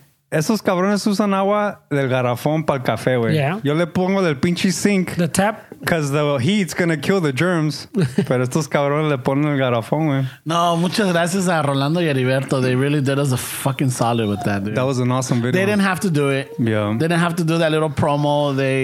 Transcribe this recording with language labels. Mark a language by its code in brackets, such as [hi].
[es] Esos cabrones usan agua del garrafón para el café, güey. [en] Yeah. [es] Yo le pongo del pinche sink. [en] The tap. Because the heat's going to kill the germs. [es] Pero estos cabrones le ponen el garrafón, güey. No, muchas gracias a Rolando y Heriberto. [en] They really did us a fucking solid with that, dude. That was an awesome video. They didn't have to do it. Yeah. They didn't have to do that little promo.